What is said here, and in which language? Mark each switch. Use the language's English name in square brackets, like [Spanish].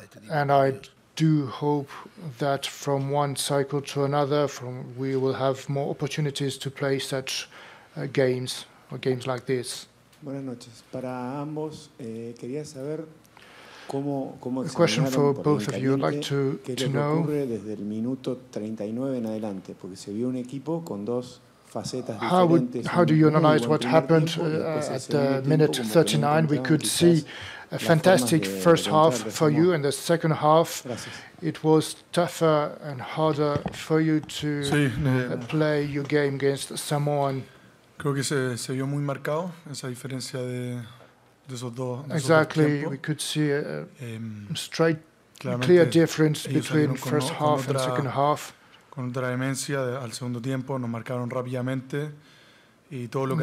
[English] And I do hope that from one cycle to another, we will have more opportunities to play such games or games like this. [Spanish] Buenas noches. Para ambos, quería saber cómo [English] a question for both of you. I'd like to know. [Spanish] Desde el minuto 39 en adelante, porque se vio un equipo con dos. [English] How do you analyze what happened at the minute 39? We could see a fantastic first half for you, and the second half it was tougher and harder for you to play your game against Samoa. [Spanish] Creo que se vio muy marcado esa diferencia de esos dos. [English] Exactly, we could see a straight, clear difference between first half and second half. [Spanish] Contra demencia al segundo tiempo nos marcaron rápidamente y todo lo que